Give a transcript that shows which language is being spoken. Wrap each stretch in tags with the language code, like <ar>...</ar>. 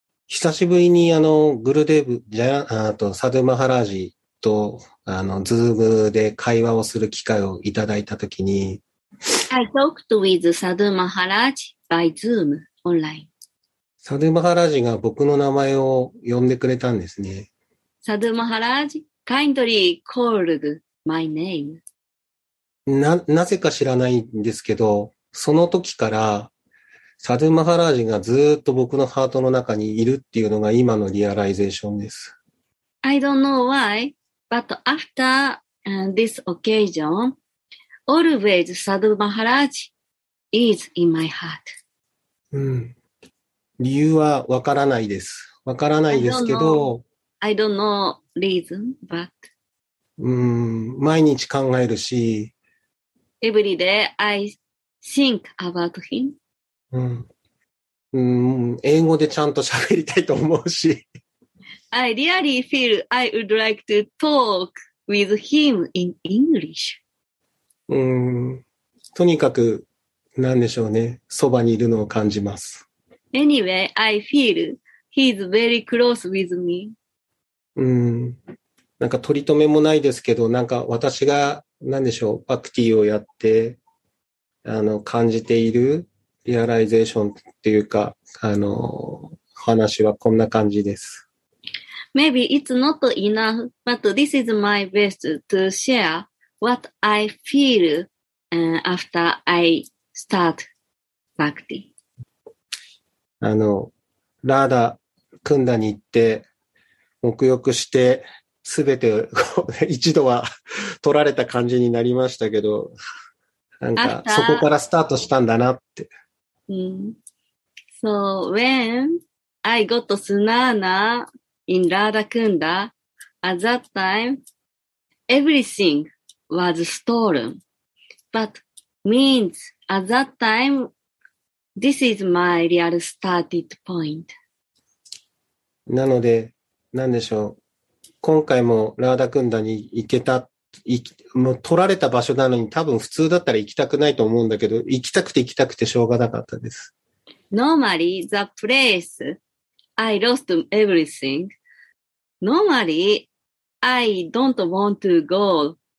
<ja>久しぶりにグルデーブ、サドゥマハラージとズームで会話をする機会をいただいたときに、</ja> <en>I talked with Sadhu Maharaj by Zoom online.</en> <ja>Sadhu Maharaj が僕の名前を呼んでくれたんですね。</ja> <en>Sadhu Maharaj kindly called my name.</en> <ja>なぜか知らないんですけど、その時から Sadhu Maharaj がずっと僕のハートの中にいるっていうのが今のリアライゼーションです。</ja> <en>I don't know why, but after this occasion,Always Sadhu Maharaj is in my heart.</en> <ja>理由はわからないです。わからないですけど。</ja> <en>I don't know reason, but.</en> <ja>毎日考えるし。</ja> <en>Every day I think about him.</en> <ja>英語でちゃんと喋りたいと思うし。</ja> <en>I really feel I would like to talk with him in English.</en> <ja>とにかく、なんでしょうね。そばにいるのを感じます。</ja> <en>Anyway, I feel he's very close with me.</en> <ja>なんか取り留めもないですけど、なんか私が、なんでしょう、バクティをやって、感じているリアライゼーションっていうか、話はこんな感じです。</ja> <en>Maybe it's not enough, but this is my best to share. What I feel after I start bhakti.</en> <ja>ラーダ、クンダに行って、沐浴して、すべて一度は取られた感じになりましたけど、なんか、そこからスタートしたんだなって。</ja> <en>So, when I got snana in ラーダ、クンダ, at that time, everythingwas stolen, but means at that time, this is my real started point.</en> <ja>なので、なんでしょう。今回もラーダクンダに行けた、もう取られた場所なのに多分普通だったら行きたくないと思うんだけど、行きたくて行きたくてしょうがなかったです。</ja> <en>Normally, the place I lost everything, normally, I don't want to go.</en>